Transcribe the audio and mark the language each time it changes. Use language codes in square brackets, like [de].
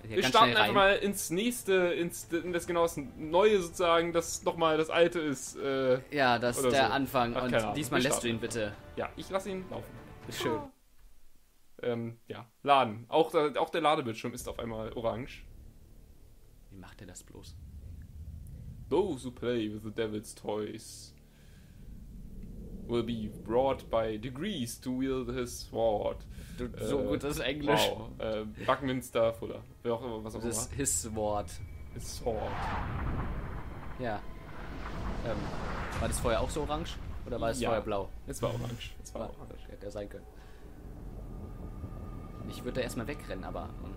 [de] Wir starten einfach mal ins nächste, das Neue sozusagen, das nochmal das Alte ist. Ja, das ist der Anfang. Ach, und diesmal lässt du ihn bitte. Ja, ich lasse ihn laufen. Schön. Ja, laden. Auch der Ladebildschirm ist auf einmal orange. Wie macht er das bloß? [en] Those who play with the devil's toys will be brought by degrees to wield his sword. [de] So gut das Englisch. Wow. Buckminster Fuller. Wer auch immer, was auch immer. [en] His sword. His sword. [de] Ja. War das vorher auch so orange? Oder war es vorher blau? Es war orange. Hätte er sein können. Ich würde da erstmal wegrennen, aber.